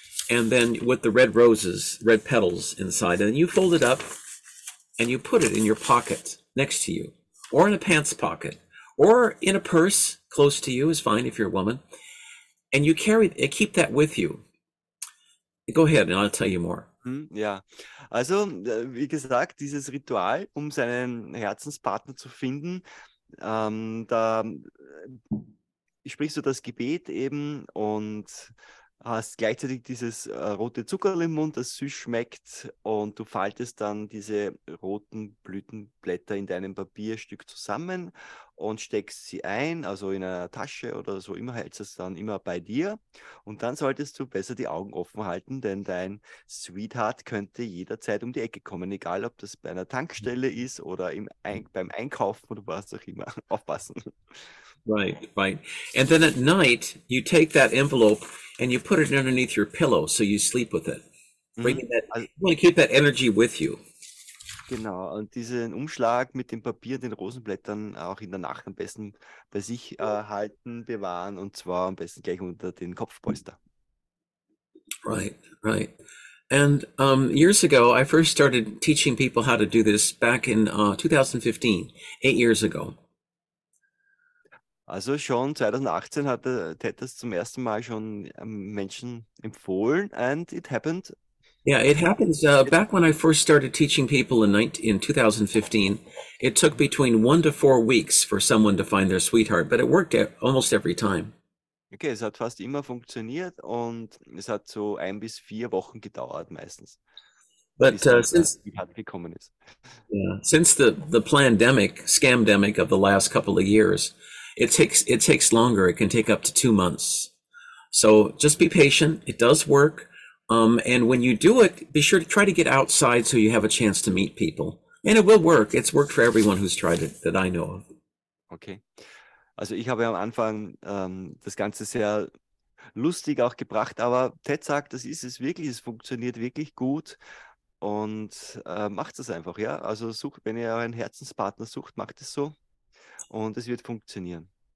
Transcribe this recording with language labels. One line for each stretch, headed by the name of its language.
English: And then with the red roses, red petals inside, and you fold it up and you put it in your pocket next to you, or in a pants pocket, or in a purse close to you is fine if you're a woman. And you carry it, keep that with you. Go ahead and I'll tell you more.
German: Ja, also wie gesagt, dieses Ritual, um seinen Herzenspartner zu finden, da sprichst du das Gebet eben und hast gleichzeitig dieses rote Zuckerl im Mund, das süß schmeckt, und du faltest dann diese roten Blütenblätter in deinem Papierstück zusammen und steckst sie ein, also in einer Tasche oder so, immer hältst du es dann immer bei dir. Und dann solltest du besser die Augen offen halten, denn dein Sweetheart könnte jederzeit um die Ecke kommen, egal ob das bei einer Tankstelle ist oder beim Einkaufen oder was auch immer. Aufpassen.
English: Right. And then at night, you take that envelope and you put it underneath your pillow so you sleep with it. Bringing that,
German: Also,
English: you want to keep that energy with you.
German: genau, und diesen Umschlag mit dem Papier, den Rosenblättern auch in der Nacht am besten bei sich halten, bewahren, und zwar am besten gleich unter den Kopfpolster.
English: Right. And years ago, I first started teaching people how to do this back in 2015, 8 years ago.
German: Also schon 2018 hatte Ted das zum ersten Mal schon Menschen empfohlen,
English: and it happened. Yeah, it happens back when I first started teaching people in 2015. It took between 1 to 4 weeks for someone to find their sweetheart, but it worked almost every time.
German: Okay, es hat fast immer funktioniert und es hat so 1 bis 4 Wochen gedauert meistens, bis
English: But
German: man da gekommen ist.
English: since the pandemic, scamdemic of the last couple of years, it takes longer. It can take up to 2 months. So just be patient. It does work. And when you do it, be sure to try to get outside so you have a chance to meet people. And it will work. It's worked for everyone who's tried it that I know of.
German: Okay, also ich habe am Anfang das Ganze sehr lustig auch gebracht, aber Ted sagt, das ist es wirklich, es funktioniert wirklich gut und macht es einfach, ja. Also sucht, wenn ihr euren Herzenspartner sucht, macht es so und es wird funktionieren.